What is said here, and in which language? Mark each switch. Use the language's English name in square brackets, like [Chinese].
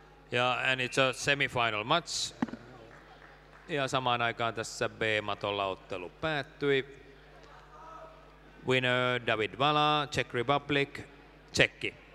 [Finnish] Ja [English] and it's a semifinal match. [Finnish] Ja samaan aikaan tässä B-matolla ottelu päättyi. [English] Winner David Vala, Czech Republic, Tsekki.